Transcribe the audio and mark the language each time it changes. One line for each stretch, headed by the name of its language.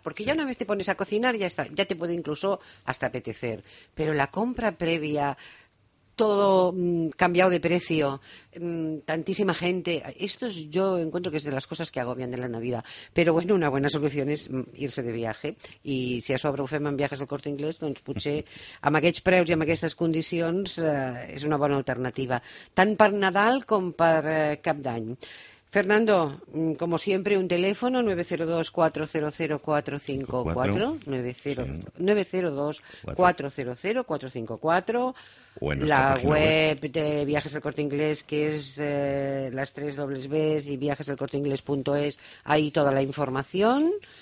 Spanish: Porque ya una vez te pones a cocinar, ya está, ya te puede incluso hasta apetecer. Pero la compra previa, todo cambiado de precio, tantísima gente. Esto es, yo encuentro que es de las cosas que agobian de la Navidad. Pero bueno, una buena solución es irse de viaje.
Catalan: Y si això aprofem en Viajes del Corte Inglés, doncs potser amb aquests preus i amb aquestes condicions és una bona alternativa. Tant per Nadal com per Cap d'Any.
Spanish: Fernando, como siempre, un teléfono, 902-400-454, 902-400-454, la web de Viajes del Corte Inglés, que es las tres dobles Bs y viajesdelcorteinglés.es, ahí toda la información.